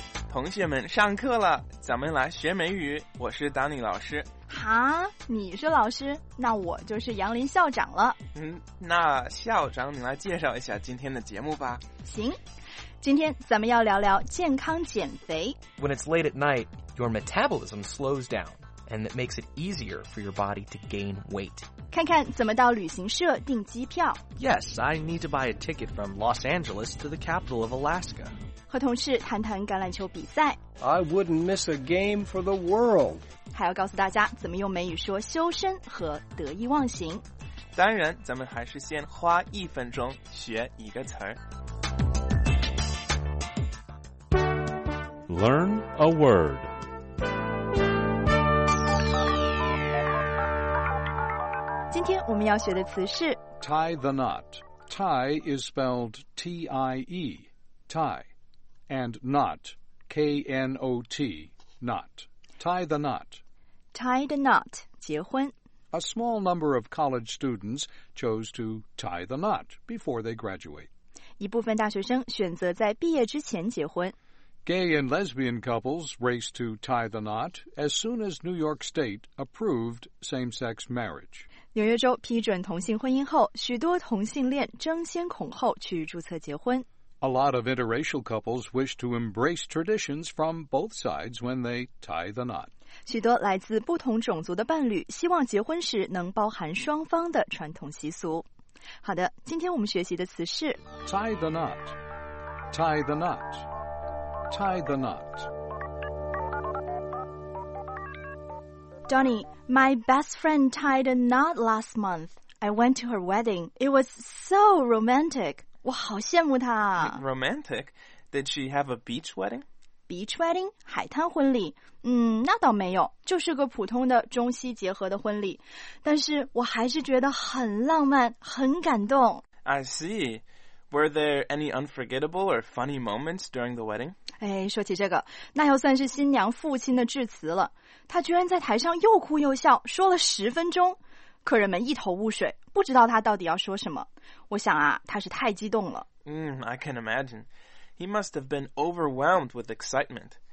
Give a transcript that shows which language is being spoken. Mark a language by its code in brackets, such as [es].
[zh] 同学们上课了，咱们来学美语。我是丹尼老师。哈，你是老师，那我就是杨林校长了。那校长你来介绍一下今天的节目吧。行，今天咱们要聊聊健康减肥。 [en] When it's late at night, your metabolism slows down, and it makes it easier for your body to gain weight. [zh] 看看怎么到旅行社订机票。 [en] Yes, I need to buy a ticket from Los Angeles to the capital of Alaska. [zh] 和同事谈谈橄榄球比赛。 [en] I wouldn't miss a game for the world. [zh] 还要告诉大家怎么用美语说修身和得意忘形。当然，咱们还是先花一分钟学一个词儿。 [en] Learn a word. [zh] 今天我们要学的词是 [en] tie the knot. Tie is spelled T-I-E, tie. And knot, K-N-O-T, knot. Tie the knot. Tie the knot, [zh] 结婚 [en] A small number of college students chose to tie the knot before they graduate. [zh] 一部分大学生选择在毕业之前结婚 [en] Gay and lesbian couples raced to tie the knot as soon as New York State approved same-sex marriage. [zh] 纽约州批准同性婚姻后许多同性恋争先恐后去注册结婚 [en] A lot of interracial couples wish to embrace traditions from both sides when they tie the knot. [zh] 许多来自不同种族的伴侣希望结婚时能包含双方的传统习俗。好的，今天我们学习的词是 [en] tie the knot, tie the knot, tie the knot. Donnie, my best friend tied a knot last month. I went to her wedding. It was so romantic. [zh] 我好羡慕她 [en] 啊。Romantic? Did she have a beach wedding? Beach wedding? [zh] 海滩婚礼？那倒没有，就是个普通的中西结合的婚礼。但是我还是觉得很浪漫，很感动。 [en] I see. Were there any unforgettable or funny moments during the wedding? [zh] 哎，说起这个，那又算是新娘父亲的致辞了。她居然在台上又哭又笑，说了十分钟。客人们一头雾水，不知道他到底要说什么。我想啊，他是太激动了。 [en] I can imagine. He must have been overwhelmed with excitement.